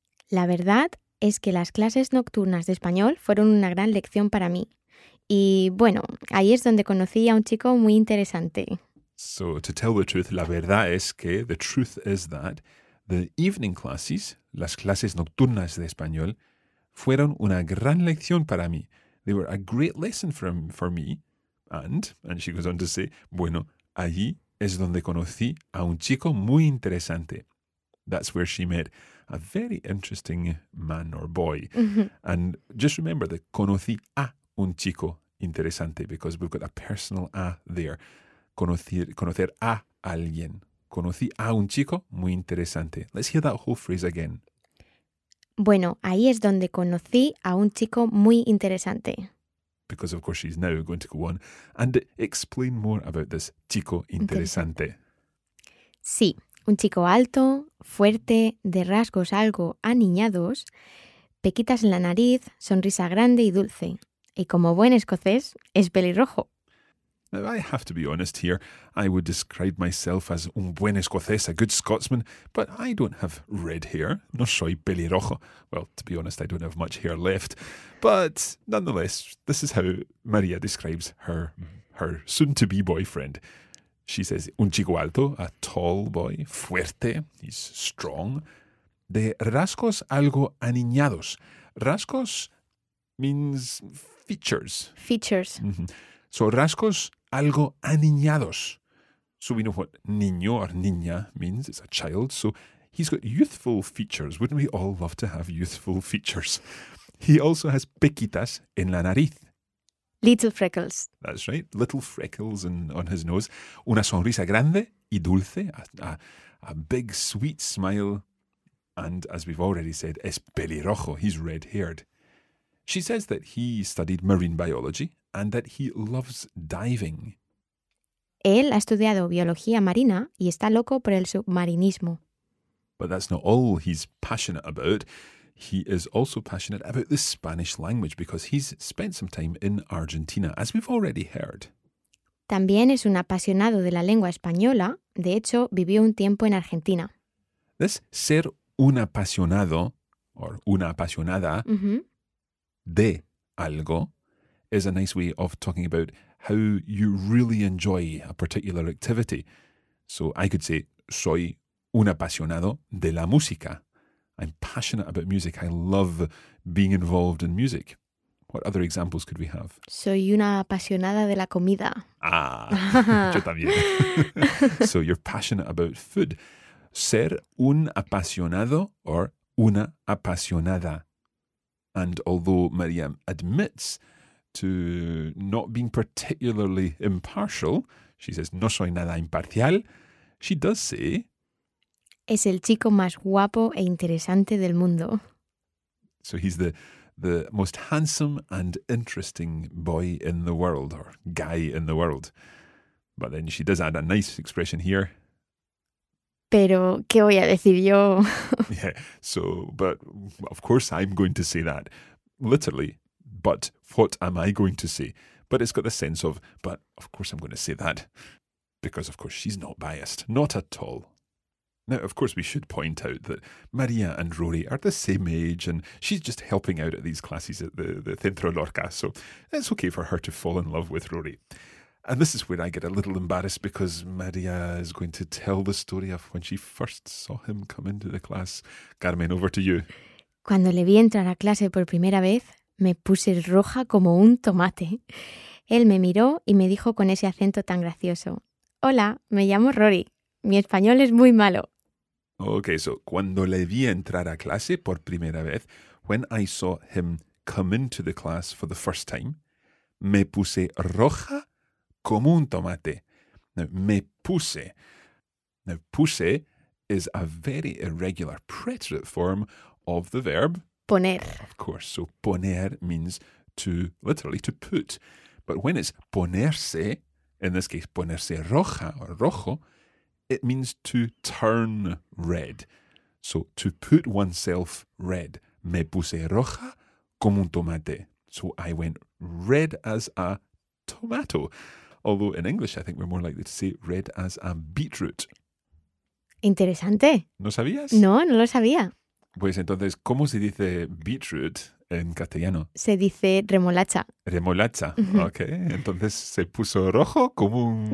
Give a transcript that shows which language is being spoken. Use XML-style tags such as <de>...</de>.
<es>La verdad es que las clases nocturnas de español fueron una gran lección para mí. Y bueno, ahí es donde conocí a un chico muy interesante.</es> <en>So, to tell the truth,</en> <es>la verdad es que,</es> <en>the truth is that, the evening classes,</en> <es>las clases nocturnas de español, fueron una gran lección para mí.</es> <en>They were a great lesson for me. And she goes on to say,</en> <es>bueno, allí es donde conocí a un chico muy interesante.</es> <en>That's where she met a very interesting man or boy. Mm-hmm. And just remember that</en> <es>conocí a un chico interesante,</es> <en>because we've got a personal a there.</en> <es>Conocer a alguien. Conocí a un chico muy interesante.</es> <en>Let's hear that whole phrase again.</en> <es>Bueno, ahí es donde conocí a un chico muy interesante.</es> <en>Because of course she's now going to go on and explain more about this chico interesante.</en> <es>Sí, un chico alto, fuerte, de rasgos algo aniñados, pequitas en la nariz, sonrisa grande y dulce. Y como buen escocés, es pelirrojo.</es> <en>Now, I have to be honest here. I would describe myself as</en> <es>un buen escocés,</es> <en>a good Scotsman, but I don't have red hair.</en> <es>No soy pelirrojo.</es> <en>Well, to be honest, I don't have much hair left. But nonetheless, this is how Maria describes her soon-to-be boyfriend. She says,</en> <es>un chico alto,</es> <en>a tall boy,</en> <es>fuerte,</es> <en>he's strong,</en> <es>de rasgos algo aniñados.</es> <en>Rasgos means features. Features. Mm-hmm.</en> <es>So rasgos algo aniñados.</es> <en>So we know what niño or niña means. It's a child. So he's got youthful features. Wouldn't we all love to have youthful features? He also has</en> <es>pequitas en la nariz.</es> <en>Little freckles. That's right. Little freckles on his nose.</en> <es>Una sonrisa grande y dulce.</es> <en>A big, sweet smile. And as we've already said,</en> <es>es pelirrojo.</es> <en>He's red-haired. She says that he studied marine biology and that he loves diving.</en> <es>Él ha estudiado biología marina y está loco por el submarinismo.</es> <en>But that's not all he's passionate about. He is also passionate about the Spanish language because he's spent some time in Argentina, as we've already heard.</en> <es>También es un apasionado de la lengua española. De hecho, vivió un tiempo en Argentina.</es> <en>This</en> <es>ser un apasionado</es> <en>or</en> <es>una apasionada de algo</es> <en>is a nice way of talking about how you really enjoy a particular activity. So I could say,</en> <es>soy un apasionado de la música.</es> <en>I'm passionate about music. I love being involved in music. What other examples could we have?</en> <es>Soy una apasionada de la comida. Ah, yo también.</es> <en>So you're passionate about food.</en> <es>Ser un apasionado</es> <en>or</en> <es>una apasionada.</es> <en>And although Maria admits to not being particularly impartial, she says,</en> <es>no soy nada imparcial,</es> <en>she does say,</en> <es>es el chico más guapo e interesante del mundo.</es> <en>So he's the most handsome and interesting boy in the world, or guy in the world. But then she does add a nice expression here.</en> <es>Pero, ¿qué voy a decir yo?</es> <en>Yeah, so, but of course I'm going to say that. Literally, but what am I going to say? But it's got the sense of, but of course I'm going to say that. Because, of course, she's not biased. Not at all. Now, of course, we should point out that Maria and Rory are the same age and she's just helping out at these classes at the Centro Lorca. So it's okay for her to fall in love with Rory. And this is where I get a little embarrassed because Maria is going to tell the story of when she first saw him come into the class. Carmen, over to you.</en> <es>Cuando le vi entrar a clase por primera vez, me puse roja como un tomate. Él me miró y me dijo con ese acento tan gracioso. Hola, me llamo Rory. Mi español es muy malo.</es> <en>Okay, so</en> <es>cuando le vi entrar a clase por primera vez,</es> <en>when I saw him come into the class for the first time,</en> <es>me puse roja como un tomate. Now, me puse.</es> <en>Now, puse is a very irregular preterite form of the verb</en> <es>poner.</es> <en>Of course, so poner means to, literally, to put. But when it's ponerse, in this case,</en> <es>ponerse roja or rojo,</es> <en>it means to turn red. So to put oneself red.</en> <es>Me puse roja como un tomate.</es> <en>So I went red as a tomato. Although in English, I think we're more likely to say red as a beetroot.</en> <es>Interesante. ¿No sabías? No, no lo sabía. Pues entonces, ¿cómo se dice beetroot en castellano? Se dice remolacha. Remolacha, ok. Entonces se puso rojo como un...</es>